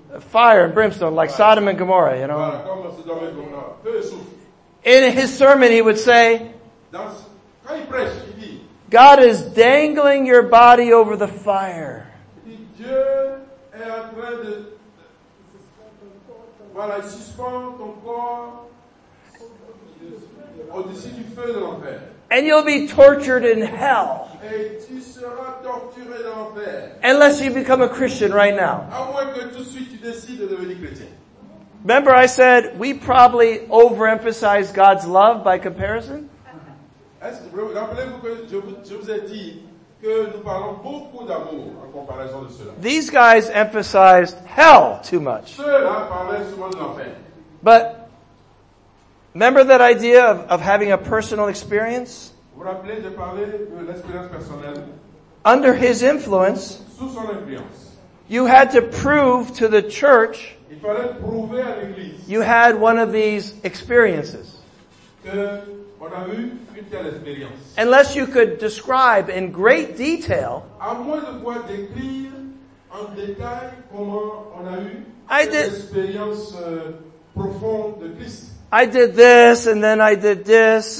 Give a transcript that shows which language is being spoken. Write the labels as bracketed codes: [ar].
[en] fire and brimstone, like Sodom and Gomorrah, you know. [fr] Comme Sodom et Gomorrah, feu et soufre. [en] In his sermon, he would say, [fr] quand il prêche, il dit, [en] God is dangling your body over the fire. [fr] Dieu est en train de voilà, suspend ton corps au-dessus du feu de l'enfer. [en] And you'll be tortured in hell. [fr] Et tu seras torturé dans l'enfer. [en] Unless you become a Christian right now. [fr] À moins que tout de suite tu décides de devenir chrétien. [en] Remember I said we probably overemphasize God's love by comparison? [fr] Rappelez-vous que je vous ai dit que nous parlons beaucoup d'amour en comparaison de cela. [en] These guys emphasized hell too much. [fr] Ceux-là parlaient souvent de l'enfer. [en] But remember that idea of having a personal experience? [fr] Vous vous rappelez, j'ai parlé de l'expérience personnelle. [en] Under his influence, [fr] sous son influence, [en] you had to prove to the church, [fr] il fallait prouver à l'église, [en] you had one of these experiences. [fr] Que on a eu une telle expérience. [en] Unless you could describe in great detail, [fr] à moins de pouvoir décrire en détail comment on a eu l'expérience profonde de Christ. [en] I did this, and then I did this,